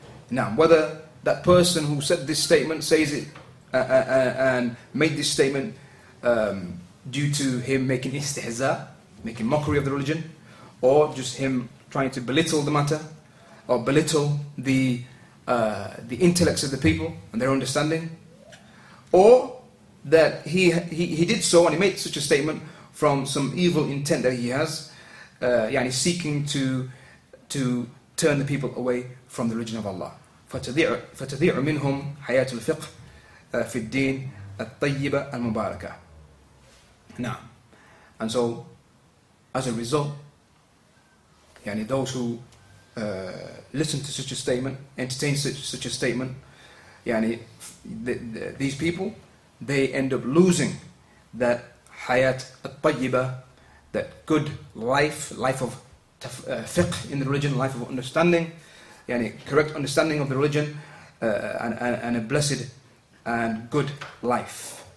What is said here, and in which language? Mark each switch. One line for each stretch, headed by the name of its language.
English: Now, whether that person who said this statement says it and made this statement due to him making istihza, making mockery of the religion, or just him trying to belittle the matter, or belittle the intellects of the people and their understanding, or that he did so and he made such a statement from some evil intent that he has, yani seeking to turn the people away from the religion of Allah.
Arabic: فتذيع منهم حياة الفقه في الدين الطيبة المباركة. نعم.
English: And so, as a result, يعني those who listen to such a statement, entertain such a statement, يعني these people, they end up losing that
Arabic: حياة الطيبة,
English: that good life of fiqh in the religion, life of understanding, yani correct understanding of the religion, and a blessed and good life.